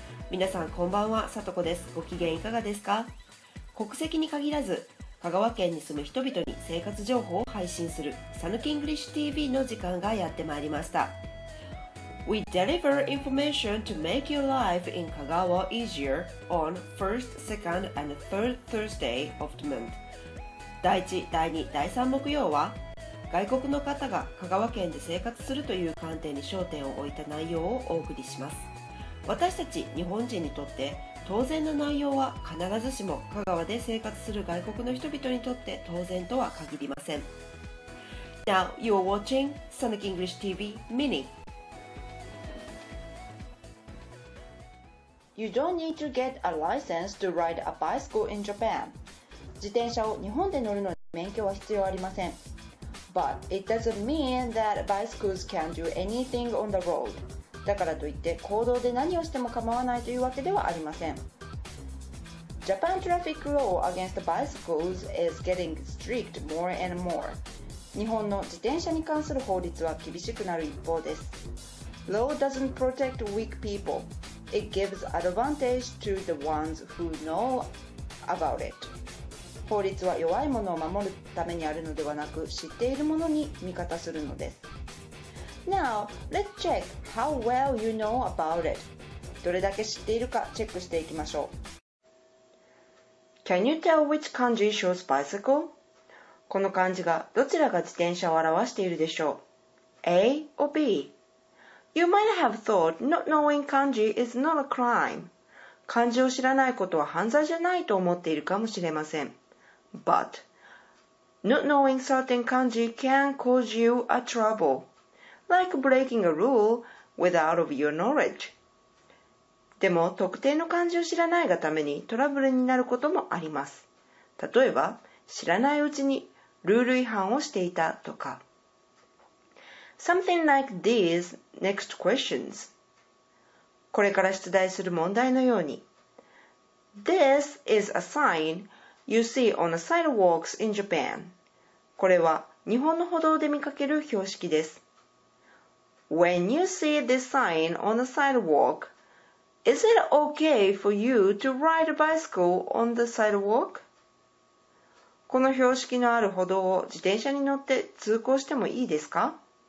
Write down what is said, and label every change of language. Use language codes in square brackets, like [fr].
[ja] 皆さん、こんばんは。さとこです。ご機嫌いかがですか？国籍に限らず、香川県に住む人々に生活情報を配信する SANUK-ENGLISH TV の時間がやってまいりました。 [en] We deliver information to make your life in Kagawa easier on 1st, 2nd and 3rd Thursday of the month. [ja] 第1、第2、第3木曜は、外国の方が香川県で生活するという観点に焦点を置いた内容をお送りします。私たち日本人にとって当然の内容は必ずしも香川で生活する外国の人々にとって当然とは限りません。 [en] Now you're watching SANUK English TV Mini. You don't need to get a license to ride a bicycle in Japan. [ja] 自転車を日本で乗るのに免許は必要ありません。 [en] But it doesn't mean that bicycles can do anything on the road. [ja] だからといって公道で何をしても構わないというわけではありません。 [en] Japan traffic law against bicycles is getting strict more and more. [ja] 日本の自転車に関する法律は厳しくなる一方です。 [en] Law doesn't protect weak people. It gives advantage to the ones who know about it. [ja] 法律は弱い者を守るためにあるのではなく、知っている者に味方するのです。 [en] Now, let's check how well you know about it. [ja] どれだけ知っているかチェックしていきましょう。 [en] Can you tell which kanji shows bicycle? [ja] この漢字がどちらが自転車を表しているでしょう。 [en] A or B? You might have thought not knowing kanji is not a crime. [ja] 漢字を知らないことは犯罪じゃないと思っているかもしれません。 [en] But, not knowing certain kanji can cause you a trouble. Like breaking a rule without of your knowledge. [ja] でも、特定の漢字を知らないがためにトラブルになることもあります。例えば、知らないうちにルール違反をしていたとか。 [en] Something like these next questions. [ja] これから出題する問題のように。 [en] This is a sign you see on the sidewalks in Japan. [ja] これは日本の歩道で見かける標識です。 [en] When you see this sign on the sidewalk, is it okay for you to ride a bicycle on the sidewalk? [ja] この標識のある歩道を自転車に乗って通行してもいいですか?